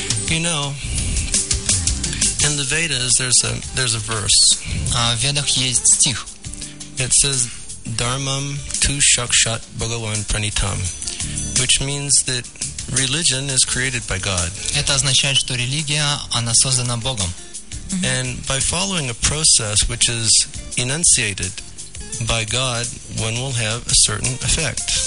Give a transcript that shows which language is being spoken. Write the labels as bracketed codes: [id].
[en] You know, in the Vedas there's a verse. [ru] В Ведах есть стих. [en] It says [sa] dharmam tu shakshat bhagavan pranitam, [en] which means that religion is created by God. [ru] Это означает, что религия, она создана Богом. [en] And by following a process which is enunciated by God, one will have a certain effect.